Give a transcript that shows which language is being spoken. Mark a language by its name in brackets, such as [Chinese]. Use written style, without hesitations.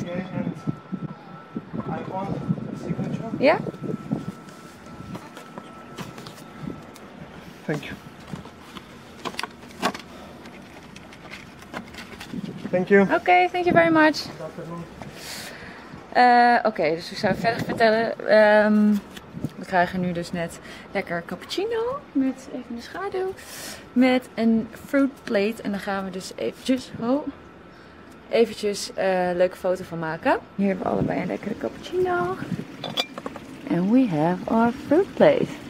[English] Okay, and I want a signature. Yeah. Thank you. Thank you. Oké, okay, thank you very much. [Dutch] Oké, dus ik zou verder vertellen. We krijgen nu dus net lekker cappuccino met even een schaduw. Met een fruit plate. En daar gaan we dus eventjes een leuke foto van maken. Hier hebben we allebei een lekkere cappuccino. [English] And we have our fruit plate.